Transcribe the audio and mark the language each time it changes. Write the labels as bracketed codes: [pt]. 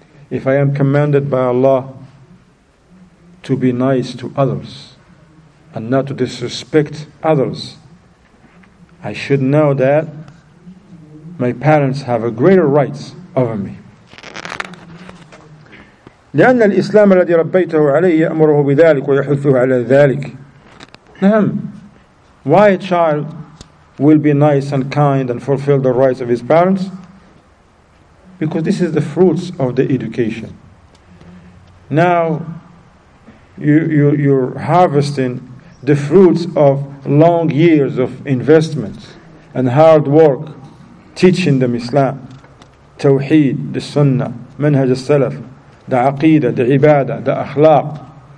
[en] If I am commanded by Allah to be nice to others and not to disrespect others, I should know that my parents have a greater rights over me. [ar] لأن الإسلام الذي ربيته عليه يأمره بذلك ويحثه على ذلك. نعم. [en] Why a child will be nice and kind and fulfill the rights of his parents? Because this is the fruits of the education. Now, you're harvesting the fruits of long years of investments and hard work teaching them Islam, Tawheed, the Sunnah, Manhaj al-Salaf, the Aqeedah, the Ibadah, the Akhlaq.